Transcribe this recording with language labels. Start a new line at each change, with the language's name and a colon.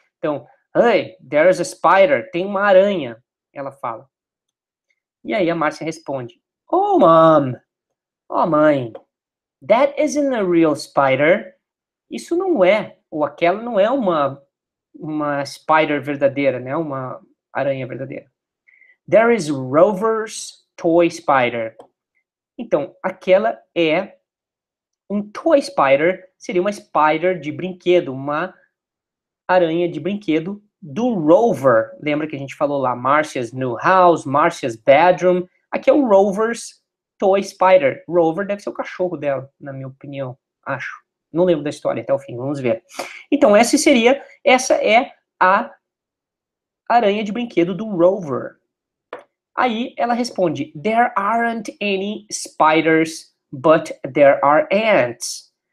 Portuguese: Então, ai,
English: there's a spider,
Portuguese: tem uma aranha, ela fala. E aí a Márcia responde, oh, mom, oh, mãe,
English: that isn't a real spider.
Portuguese: Isso não é, ou aquela não é uma spider verdadeira, né? Uma aranha verdadeira.
English: There is Rover's toy spider.
Portuguese: Então, aquela é um toy spider, seria uma spider de brinquedo, uma aranha de brinquedo do Rover. Lembra que a gente falou lá,
English: Marcia's new house, Marcia's bedroom.
Portuguese: Aqui é o Rover's toy spider. Rover deve ser o cachorro dela, na minha opinião, acho. Não lembro da história até o fim, vamos ver. Então, essa é a aranha de brinquedo do Rover. Aí ela responde,
English: there aren't any spiders, but there are ants.